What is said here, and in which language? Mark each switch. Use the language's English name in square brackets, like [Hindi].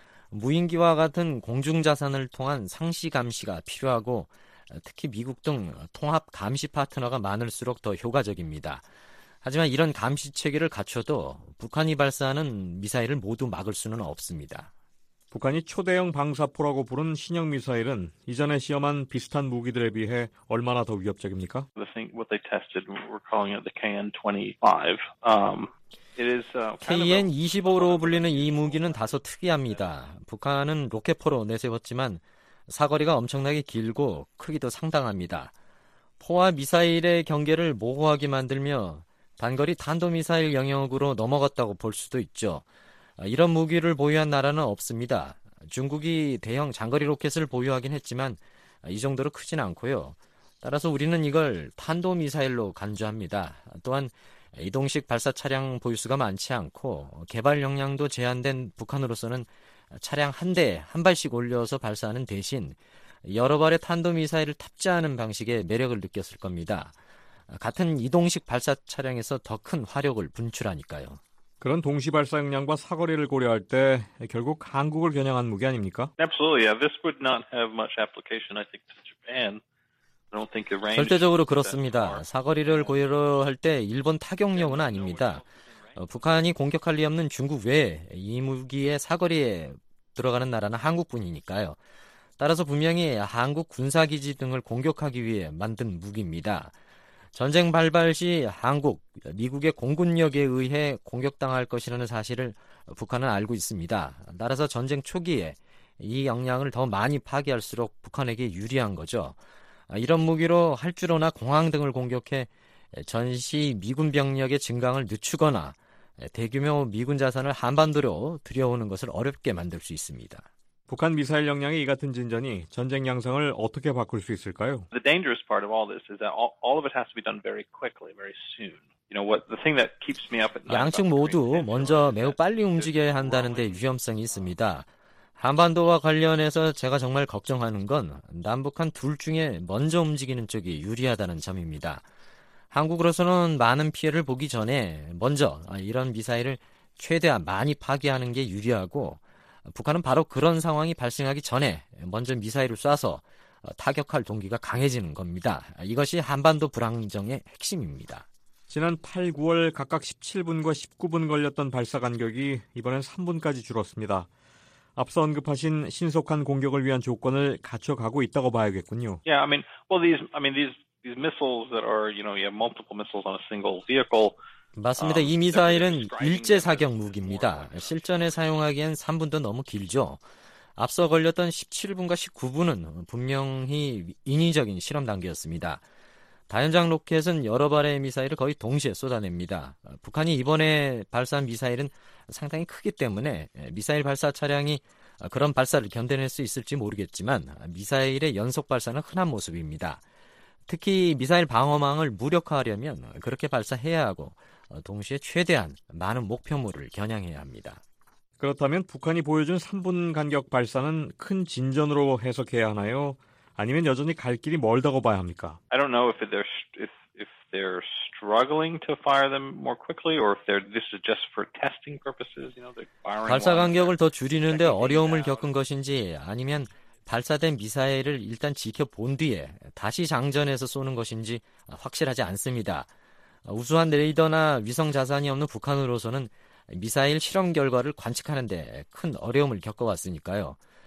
[Korean] 무인기와 같은 공중 자산을 통한 상시 감시가 필요하고 특히 미국 등 통합 감시 파트너가 많을수록 더 효과적입니다. 하지만 이런 감시 체계를 갖춰도 북한이 발사하는 미사일을 모두 막을 수는 없습니다. 북한이 초대형 방사포라고 부른 신형 미사일은 이전에 시험한 비슷한 무기들에 비해 얼마나 더 위협적입니까? [English] I think what they tested, we're calling it the KN-25. [Korean] KN-25로 불리는 이 무기는 다소 특이합니다. 북한은 로켓포로 내세웠지만 사거리가 엄청나게 길고 크기도 상당합니다. 포와 미사일의 경계를 모호하게 만들며 단거리 탄도미사일 영역으로 넘어갔다고 볼 수도 있죠. 이런 무기를 보유한 나라는 없습니다. 중국이 대형 장거리 로켓을 보유하긴 했지만 이 정도로 크진 않고요. 따라서 우리는 이걸 탄도미사일로 간주합니다. 또한 이동식 발사 차량 보유수가 많지 않고 개발 역량도 제한된 북한으로서는 차량 한 대, 한 발씩 올려서 발사하는 대신 여러 발의 탄도미사일을 탑재하는 방식의 매력을 느꼈을 겁니다. 같은 이동식 발사 차량에서 더 큰 화력을 분출하니까요. 그런 동시 발사 역량과 사거리를 고려할 때 결국 한국을 겨냥한 무기 아닙니까? [English] Absolutely. Yeah. This would not have much application, I think, to Japan. I don't think the range. [Korean] 절대적으로 그렇습니다. 사거리를 고려할 때 일본 타격용은 아닙니다. 북한이 공격할 리 없는 중국 외에 이 무기의 사거리에 들어가는 나라는 한국뿐이니까요. 따라서 분명히 한국 군사 기지 등을 공격하기 위해 만든 무기입니다. 전쟁 발발 시 한국, 미국의 공군력에 의해 공격당할 것이라는 사실을 북한은 알고 있습니다. 따라서 전쟁 초기에 이 역량을 더 많이 파괴할수록 북한에게 유리한 거죠. 이런 무기로 활주로나 공항 등을 공격해 전시 미군 병력의 증강을 늦추거나 대규모 미군 자산을 한반도로 들여오는 것을 어렵게 만들 수 있습니다. 북한 미사일 역량의 이 같은 진전이 전쟁 양상을 어떻게 바꿀 수 있을까요? [English] The dangerous part of all this is that all of it has to be done very quickly, very soon. You know what the thing that keeps me up at night. [Korean] 양측 모두 먼저 매우 빨리 움직여야 한다는 데 위험성이 있습니다. 한반도와 관련해서 제가 정말 걱정하는 건 남북한 둘 중에 먼저 움직이는 쪽이 유리하다는 점입니다. 한국으로서는 많은 피해를 보기 전에 먼저 이런 미사일을 최대한 많이 파괴하는 게 유리하고 북한은 바로 그런 상황이 발생하기 전에 먼저 미사일을 쏴서 타격할 동기가 강해지는 겁니다. 이것이 한반도 불안정의 핵심입니다. 지난 8, 9월 각각 17분과 19분 걸렸던 발사 간격이 이번엔 3분까지 줄었습니다. 앞서 언급하신 신속한 공격을 위한 조건을 갖춰가고 있다고 봐야겠군요. [English] Yeah, I mean, well, these, I mean, these, These missiles that are, you know, you have multiple missiles on a single vehicle. [Korean] 맞습니다. 이 미사일은 일제 사격 무기입니다. 실전에 사용하기엔 3분도 너무 길죠. 앞서 걸렸던 17분과 19분은 분명히 인위적인 실험 단계였습니다. 다연장 로켓은 여러 발의 미사일을 거의 동시에 쏟아냅니다. 북한이 이번에 발사한 미사일은 상당히 크기 때문에 미사일 발사 차량이 그런 발사를 견뎌낼 수 있을지 모르겠지만 미사일의 연속 발사는 흔한 모습입니다. 특히 미사일 방어망을 무력화하려면 그렇게 발사해야 하고 동시에 최대한 많은 목표물을 겨냥해야 합니다. 그렇다면 북한이 보여준 3분 간격 발사는 큰 진전으로 해석해야 하나요? 아니면 여전히 갈 길이 멀다고 봐야 합니까? [English] I don't know if they're if they're struggling to fire them more quickly or if they're this is just for testing purposes, you know, they're firing [Korean] 발사 간격을 더 줄이는데 어려움을 겪은 것인지 아니면 발사된 미사일을 일단 지켜본 뒤에 다시 장전해서 쏘는 것인지 확실하지 않습니다. 우수한 레이더나 위성 자산이 없는 북한으로서는 미사일 실험 결과를 관측하는 데 큰 어려움을 겪어왔으니까요.